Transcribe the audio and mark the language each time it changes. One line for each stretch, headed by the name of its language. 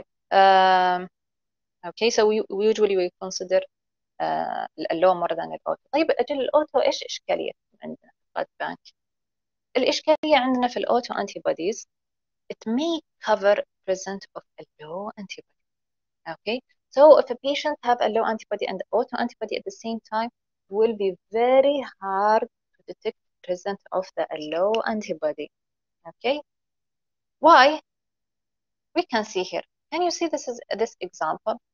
English: Okay, so we usually we consider low more than the auto.
Arabic: طيب أجل الأوتو إيش إشكالية عندنا في
English: blood bank؟
Arabic: الإشكالية عندنا في الأوتو
English: antibodies it may cover present of a low antibody. Okay, so if a patient have a low antibody and the auto antibody at the same time. Will be very hard to detect present of the low antibody. Okay, why? We can see here. Can you see this is this example?